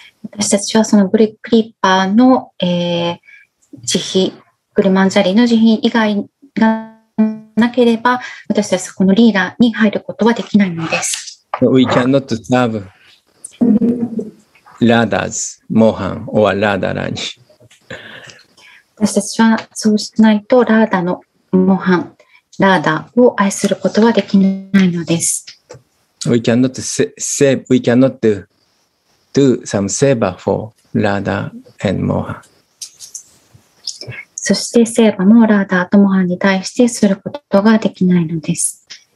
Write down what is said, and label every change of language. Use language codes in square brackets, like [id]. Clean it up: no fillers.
[ja] 私たちはそのグルクリッパーの、慈悲、グルマンジャリの慈悲以外がなければ、私たちはこのリーダーに入ることはできないのです。 [en] We cannot serve Radha's Mohan or Radha Rani. [ja] 私たちはそうしないとラーダのモハン、ラーダを愛することはできないのです。 [en] We cannot do some seva for Radha and Mohan. [ja] そしてセーバもラーダーとモハンに対してすることができないのです。